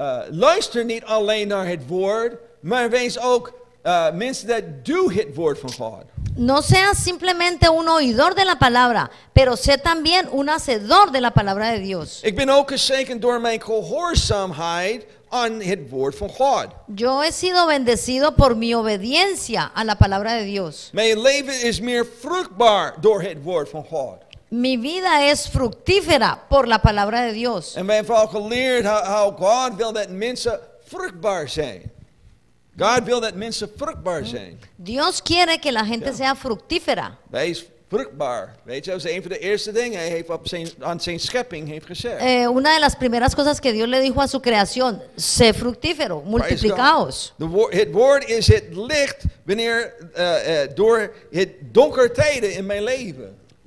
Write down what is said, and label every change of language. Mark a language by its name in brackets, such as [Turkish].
[Dutch] Luister niet alleen naar het woord, maar wees ook mensen dat doen het woord van God. [Spanish] No seas simplemente un oidor de la palabra, pero sé también un hacedor de la palabra de Dios. [Dutch] Ik ben ook geseken door mijn gehoorzaamheid aan het woord van God. [Spanish] Yo he sido bendecido por mi obediencia a la palabra de Dios. [Dutch] Mijn leven is meer fruchtbaar door het woord van God. [Spanish] Mi vida es fructífera por la palabra de Dios. [Dutch] En wij hebben geleerd how God wil dat mensen fruchtbaar zijn. God wil dat mensen vruchtbaar zijn. [Spanish] Dios quiere que la gente sea fructífera. [Dutch] Wees vruchtbaar. Weet je, dat is een van de eerste dingen hij heeft aan zijn schepping heeft gezegd. [Spanish] Una de las primeras cosas que Dios le dijo a su creación, sé fructífero, multiplicaos. [Dutch] Het woord is het licht wanneer door het donker tijden in mijn leven.